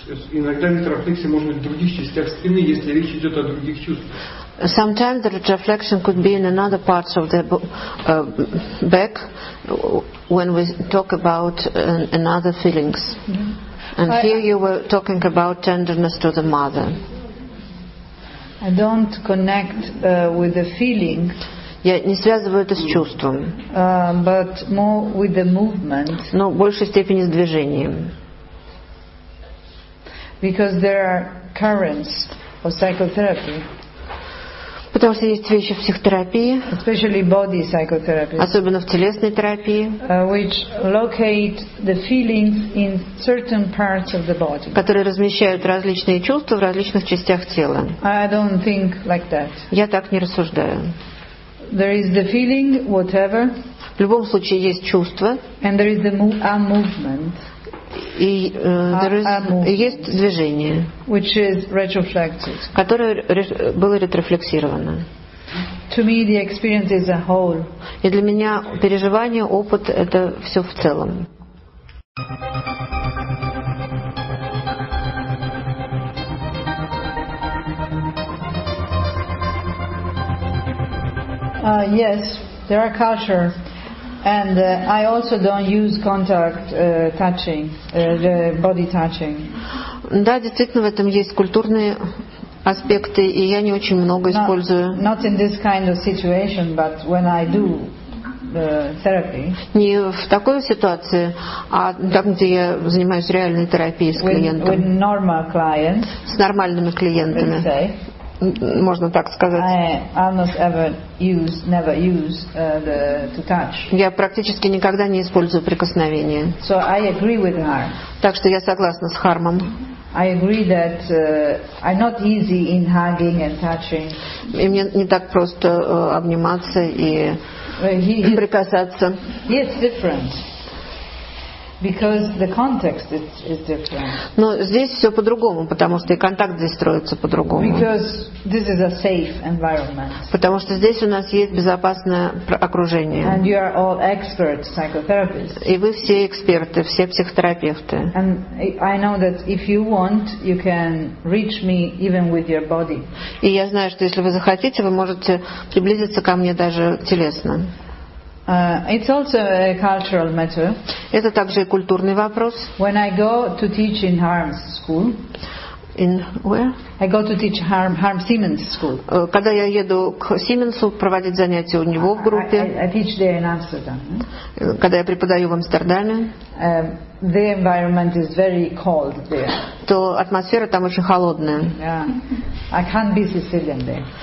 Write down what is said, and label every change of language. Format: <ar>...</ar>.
<ru>Иногда ретрофлексия может быть в других частях спины, если речь идет о других чувствах.</ru> <en>Sometimes the retroflexion could be in another parts of the back when we talk about another feelings. Mm-hmm. And here you were talking about tenderness to the mother. I don't connect with the feeling.</en> <ru>Я не связываю это с чувством.</ru> <en>But more with the movement.</en> <ru>Но в большей степени с движением.</ru> <en>Because there are currents of psychotherapy.</en> <ru>Потому что есть вещи в психотерапии,</ru> <en>especially body psychotherapy,</en> <ru>особенно в телесной терапии,</ru> <en>which locate the feelings in certain parts of the body,</en> <ru>которые размещают различные чувства в различных частях тела.</ru> <en>I don't think like that.</en> <ru>Я так не рассуждаю.</ru> <en>There is the feeling, whatever.</en> <ru>В любом случае есть чувство.</ru> <en>And there is the movement.</en> <ru>И есть движение,</ru> <en>which is retroflexive,</en> <ru>которое было ретрофлексировано.</ru> <en>To me, the experience is a whole.</en> <ru>И для меня переживание, опыт — это все в целом.</ru> <en>Yes, there are cultures. And I also don't use contact touching, the body touching.</en> <ru>Да, действительно, в этом есть культурные аспекты, и я не очень много использую.</ru> <en>Not in this kind of situation, but when I do therapy.</en> <ru>Не в такой ситуации, а там, где я занимаюсь реальной терапией с клиентом.</ru> <en>With normal clients.</en> <ru>С нормальными клиентами. Можно так сказать. Я практически никогда не использую прикосновение.</ru> <en>So I agree with her.</en> <ru>Так что я согласна с Хармом.</ru> <en>I agree that I'm not easy in hugging and touching.</en> <ru>И мне не так просто обниматься и прикасаться.</ru> <en>Yes, different. Because the context is different.</en> <ru>Но здесь все по-другому, потому что и контакт здесь строится по-другому.</ru> <en>Because this is a safe environment.</en> <ru>Потому что здесь у нас есть безопасное окружение.</ru> <en>And you are all expert psychotherapists.</en> <ru>И вы все эксперты, все психотерапевты.</ru> <en>And I know that if you want, you can reach me even with your body.</en> <ru>И я знаю, что если вы захотите, вы можете приблизиться ко мне даже телесно.</ru> <en>It's also a cultural matter.</en> <ru>Это также и культурный вопрос.</ru> <en>When I go to teach in Harm's school, in where? I go to teach Harm Siemens school.</en> <ru>Когда я еду к Сименсу проводить занятия у него в группе.</ru> <en>I teach there in Amsterdam.</en> <ru>Когда я преподаю в Амстердаме.</ru> <en>The environment is very cold there.</en> <ru>То атмосфера там очень холодная.</ru> <en>Yeah. I can't be Sicilian there.</en>